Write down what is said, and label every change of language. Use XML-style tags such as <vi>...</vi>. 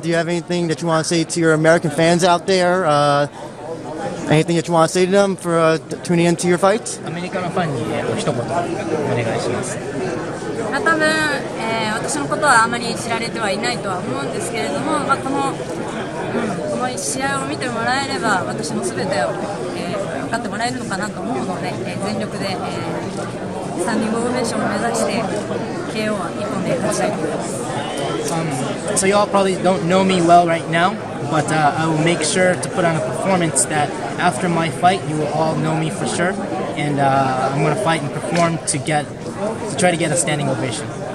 <en>Do you have anything that you want to say to your American fans out there? Anything that you want to say to them for tuning into your fight?</en> <ja>アメリカのファンに、一言お願いします。まあ、多分、私のことはあまり知られてはいないとは思うんですけれども、まあ、この試合を見てもらえれば私の全てを、分かってもらえるのかなと思うので、全力で、スタンディングオベーションを目指して KO は1本で勝ちたいと思います。</ja> <en>So y'all probably don't know me well right now, but I will make sure to put on a performance that after my fight you will all know me for sure, and I'm going to fight and perform to get to try to get a standing ovation.</en>